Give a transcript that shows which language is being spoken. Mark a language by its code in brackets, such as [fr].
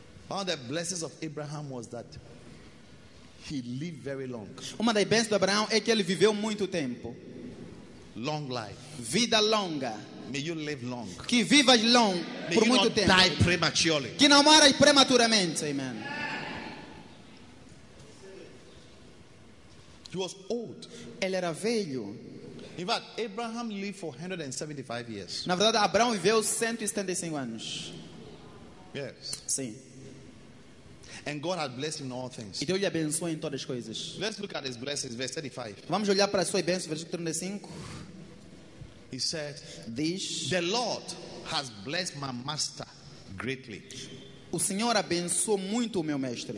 [en] One of the blessings of Abraham was that he lived very long. [pt] Uma das bênçãos de Abraão é que ele viveu muito tempo. [en] Long life. [pt] Vida longa. [en] May you live long. [pt] Que vivas long [en] May [pt] por muito tempo. [en] Die prematurely. [pt] Que não morras prematuramente. [en] Amen. He was old. [pt] Ele era velho. [en] In fact, Abraham lived for 175 years. [pt] Na verdade, Abraão viveu 175 anos. [en] Yes. [pt] Sim. [en] And God had blessed him in all things. [pt] E Deus lhe abençoou em todas as coisas. [en] Let's look at his blessings, verse 35. [pt] Vamos olhar para as suas bênçãos, versículo 35. [en] He said, "This the Lord has blessed my master greatly." [pt] O Senhor abençoou muito o meu mestre.